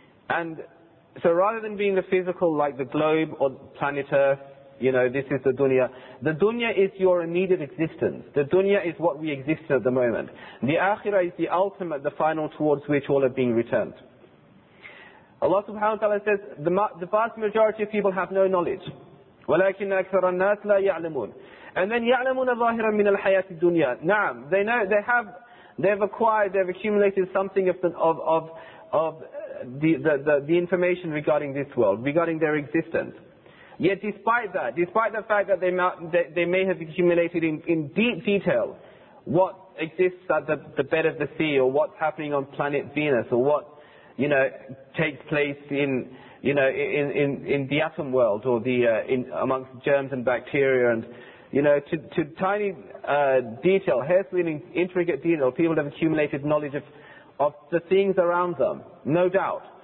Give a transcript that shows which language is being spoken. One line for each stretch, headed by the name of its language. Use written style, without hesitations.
English: And so rather than being the physical, like the globe or planet Earth, you know, this is the dunya. The dunya is your immediate existence. The dunya is what we exist in at the moment. The akhirah is the ultimate, the final, towards which all are being returned. Allah subhanahu wa ta'ala says, the vast majority of people have no knowledge.
Arabic: وَلَكِنَّ أَكْثَرَ النَّاسِ لَا يَعْلَمُونَ.
English: And then
Arabic: يَعْلَمُونَ ظَاهِرًا مِنَ الْحَيَاةِ الدُّنْيَا. نعم,
English: they know, they've accumulated something of the information regarding this world, regarding their existence. Yet despite the fact that they may have accumulated in deep detail what exists at the bed of the sea, or what's happening on planet Venus, or what, you know, takes place in, you know, in the atom world, or amongst germs and bacteria, and, you know, to tiny detail, hair-splitting, intricate detail, people have accumulated knowledge of the things around them, no doubt.